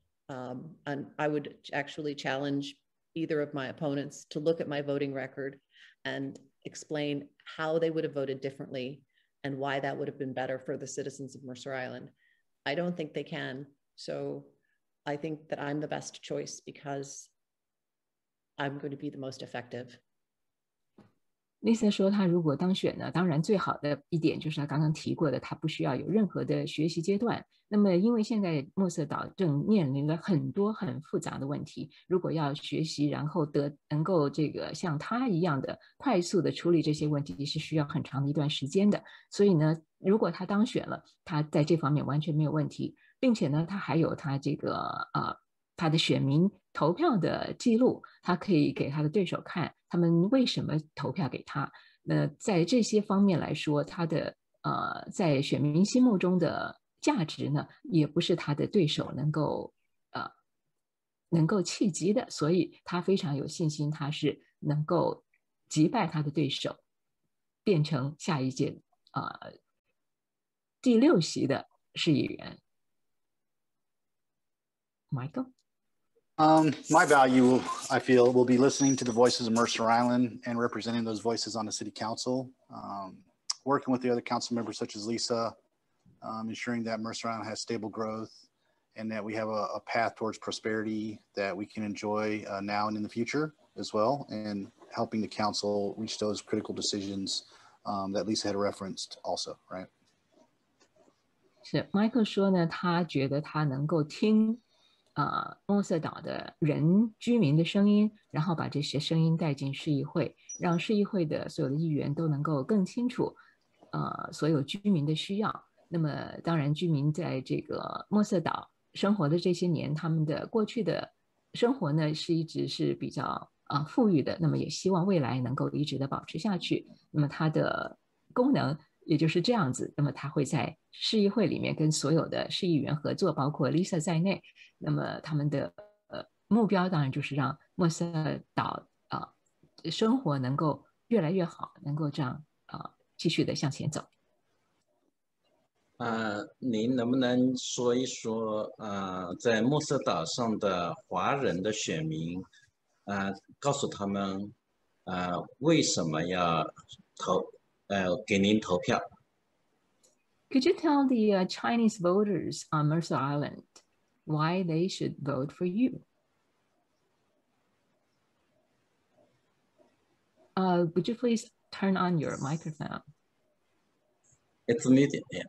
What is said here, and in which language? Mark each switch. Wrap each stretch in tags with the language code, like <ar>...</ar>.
<en>And I would actually challenge either of my opponents to look at my voting record and explain how they would have voted differently and why that would have been better for the citizens of Mercer Island. I don't think they can. So I think that I'm the best choice because I'm going to be the most effective.</en> <zh>Lisa 说他如果当选呢，当然最好的一点就是他刚刚提过的，他不需要有任何的学习阶段。那么因为现在默瑟岛正面临了很多很复杂的问题，如果要学习然后能够这个像他一样的快速的处理这些问题是需要很长的一段时间的。所以呢，如果他当选了，他在这方面完全没有问题，并且呢，他还有他这个他的选民投票的记录，他可以给他的对手看他们为什么投票给他。那在这些方面来说，他的在选民心目中的价值呢，也不是他的对手能够企及的，所以他非常有信心他是能够击败他的对手，变成下一届第六席的市议员。</zh> <en>Michael? My value, I feel, will be listening to the voices of Mercer Island and representing those voices on the city council, working with the other council members such as Lisa, ensuring that Mercer Island has stable growth and that we have a path towards prosperity that we can enjoy now and in the future as well, and helping the council reach those critical decisions that Lisa had referenced also, right?</en> <zh>So Michael 说呢，他觉得他能够听默瑟岛的人居民的声音，然后把这些声音带进市议会，让市议会的所有的议员都能够更清楚所有居民的需要。那么当然居民在这个默瑟岛生活的这些年，他们的过去的生活呢是一直是比较富裕的，那么也希望未来能够一直的保持下去。那么它的功能也就是这样子，那么他会在市议会里面跟所有的市议员合作，包括 Lisa 在内，那么他们的目标当然就是让默瑟岛生活能够越来越好，能够这样继续的向前走。您能不能说一说在默瑟岛上的华人的选民告诉他们为什么要投给您投票。</zh> <en>Could you tell the Chinese voters on Mercer Island why they should vote for you? Would you please turn on your microphone? It's muted, yeah.</en>